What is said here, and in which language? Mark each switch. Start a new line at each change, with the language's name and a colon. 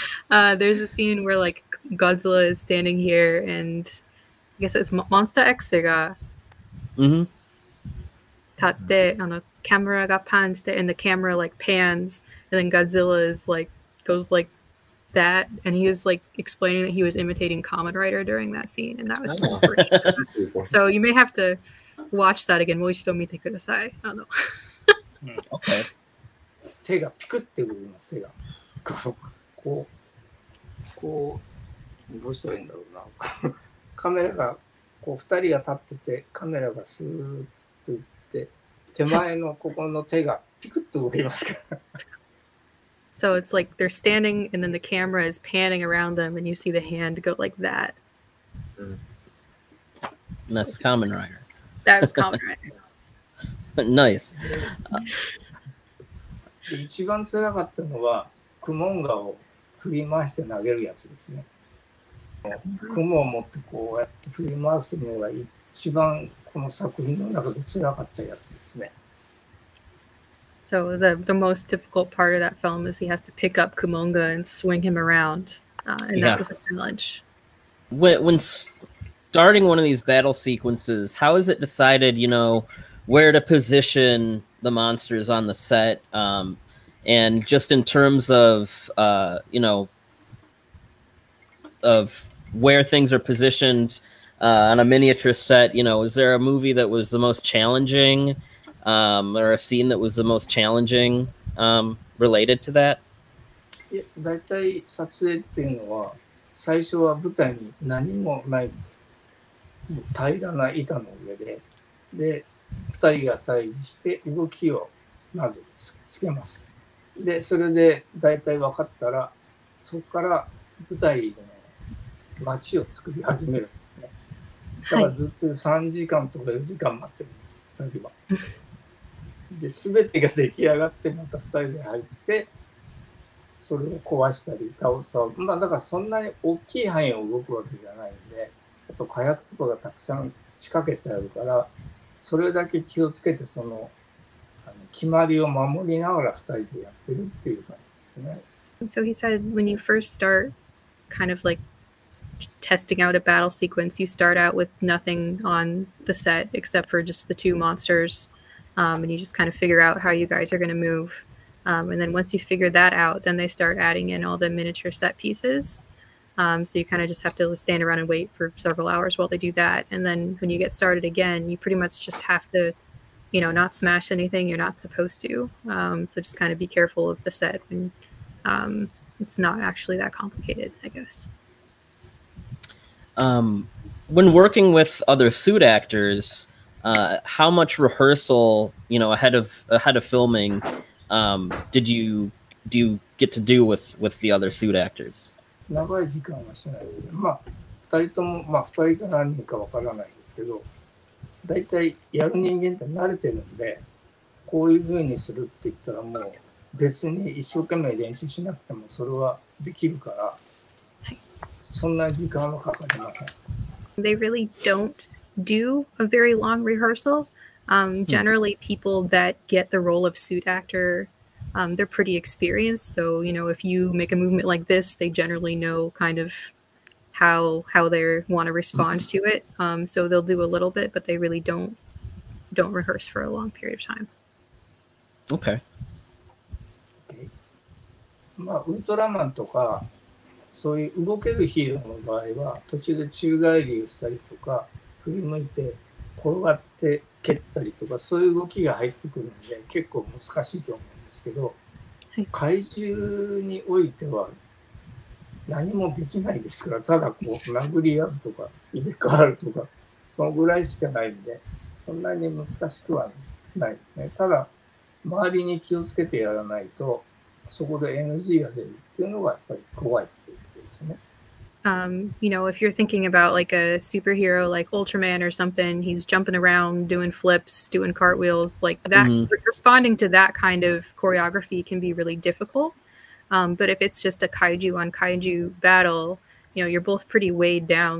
English: there's a scene where like Godzilla is standing here and I guess it's
Japanese: Monster X が立って、あの、camera がパンして
English: and the camera like pans and then Godzilla is like goes like that and he was like explaining that he was imitating Kamen Rider during that scene and that was just great. So you may have to watch that again.
Japanese: もう一度見てください。
English: I don't know. Okay.
Japanese: 手がピクって動きます。手がこうどうしたらいいんだろうな。カメラがこう二人が立っててカメラがスーッと行って手前のここの手がピクって動きますから。
English: So it's like they're standing and then the camera is panning around them and you see the hand go like that. Mm. That's Kamen Rider. That was Kamen Rider. Nice.
Japanese: 一番辛かったのはクモンガを振り回して投げるやつですね。クモを持ってこうやって振り回すのが一番この作品の中で辛かったやつですね。
English: So the most difficult part of that film is he has to pick up Kumonga and swing him around, and yeah. That was a challenge. When starting one of these battle sequences, how is it decided, you know, where to position the monsters on the set? And just in terms of, you know, of where things are positioned on a miniature set, you know, is there a movie that was the most challenging? Or a scene that was the most challenging related to that?
Japanese: だいたい撮影っていうのは最初は舞台に何もないんです。もう平らな板の上で、で2人が対峙して動きをまずつけます。でそれでだいたい分かったらそこから舞台の街を作り始めるんですね。だからずっと3時間とか4時間待ってるんです、2人は。で全てが出来上がってまた2人で入ってそれを壊したり倒すと、まあだからそんなに大きい範囲を動くわけじゃないんで、あと火薬とかがたくさん仕掛けてあるから、それだけ気をつけてその決まりを守りながら2人でやってるっていう感じですね。
English: So he said when you first start kind of like testing out a battle sequence, you start out with nothing on the set except for just the two monstersand you just kind of figure out how you guys are going to move. And then once you figure that out, then they start adding in all the miniature set pieces. So you kind of just have to stand around and wait for several hours while they do that. And then when you get started again, you pretty much just have to, you know, not smash anything you're not supposed to. So just kind of be careful of the set. And it's not actually that complicated, I guess. When working with other suit actors, how much rehearsal, you know, ahead of filming, do you get to do with the other suit actors?
Japanese: 長い時間はしないです。まあ、二人とも、まあ、二人か何人かわからないですけど、大体やる人間って慣れてるんで、こういう風にするって言ったらもう別に一生懸命練習しなくてもそれはできるから、そんな時間はかかりません。
English: They really don't do a very long rehearsal. Generally, people that get the role of suit actor, they're pretty experienced. So, you know, if you make a movement like this, they generally know kind of how they want to respond to it. So they'll do a little bit, but they really don't rehearse for a long period of time. Okay.
Japanese: まあ、ウルトラマンとかそういう動けるヒーローの場合は途中で宙返りをしたりとか振り向いて転がって蹴ったりとかそういう動きが入ってくるので結構難しいと思うんですけど、はい、怪獣においては何もできないですから、ただこう殴り合うとか入れ替わるとかそのぐらいしかないんで、そんなに難しくはないですね。ただ周りに気をつけてやらないとそこで NG が出るっていうのがやっぱり怖いっていうことですね。
English: You know, if you're thinking about like a superhero like Ultraman or something, he's jumping around, doing flips, doing cartwheels, like that, responding to that kind of choreography can be really difficult. But if it's just a kaiju on kaiju battle, you know, you're both pretty weighed down.